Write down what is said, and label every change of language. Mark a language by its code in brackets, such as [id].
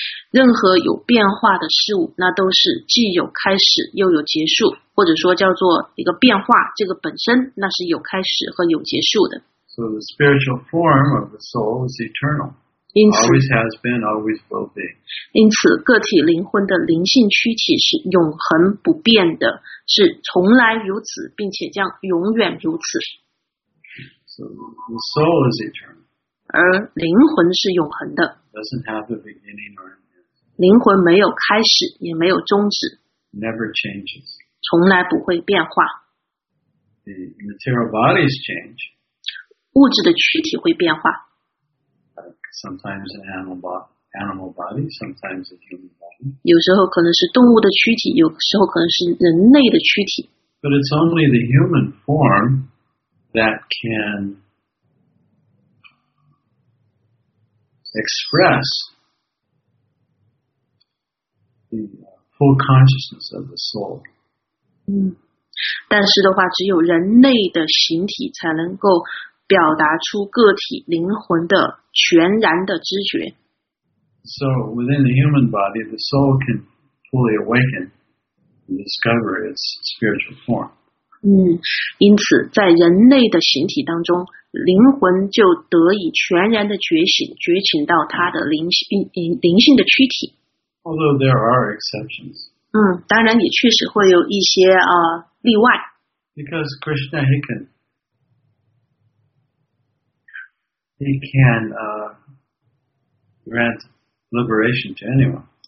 [zh] 任何有变化的事物，那都是既有开始又有结束，或者说叫做一个变化，这个本身那是有开始和有结束的。 [en] So the spiritual form of the soul is eternal. Always has been, always will be. [zh] 因此，个体灵魂的灵性躯体是永恒不变的，是从来如此，并且将永远如此。 [en] So the soul is eternal. [zh] 而灵魂是永恒的。 [en] Doesn't have a beginning or end. [zh] 灵魂没有开始，也没有终止。 [en] Never changes. [zh] 从来不会变化。 [en] The material bodies change. [zh] 物质的躯体会变化。 [en] Sometimes animal body, sometimes a human body. [zh] 有时候可能是动物的躯体，有时候可能是人类的躯体。 [en] But it's only the human form. That can express the full consciousness of the soul. [zh] 但是的话，只有人类的形体才能够表达出个体灵魂的全然的知觉。 [en] So within the human body, the soul can fully awaken and discover its spiritual form. [zh] 因此在人类的形体当中，灵魂就得以全然的觉醒，觉醒到它的灵性的躯体。 [en] Although there are exceptions. [zh] 当然也确实会有一些例外。 [en] Because Krishna, he can grant liberation to anyone.